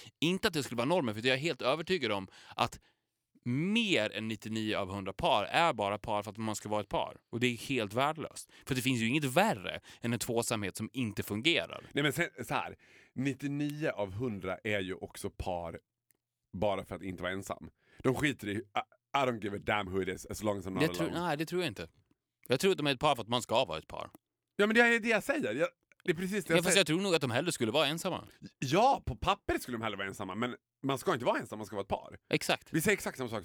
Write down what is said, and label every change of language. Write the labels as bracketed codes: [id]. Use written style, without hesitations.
[sv] Inte att det skulle vara normen, för jag är helt övertygad om att mer än 99 av 100 par är bara par för att man ska vara ett par. Och det är helt värdelöst. För det finns ju inget värre än en tvåsamhet som inte fungerar. Nej, men sen, så här. 99 av 100 är ju också par bara för att inte vara ensam. De skiter i, [en] I don't give a damn who it is, as long as I'm not alone. [sv] Nej, det tror jag inte. Jag tror att de är ett par för att man ska vara ett par. Ja, men det är det jag säger. Det är precis det jag säger. Fast jag tror nog att de hellre skulle vara ensamma. Ja, på papper skulle de hellre vara ensamma. Men man ska inte vara ensam, man ska vara ett par. Exakt. Vi säger exakt samma sak.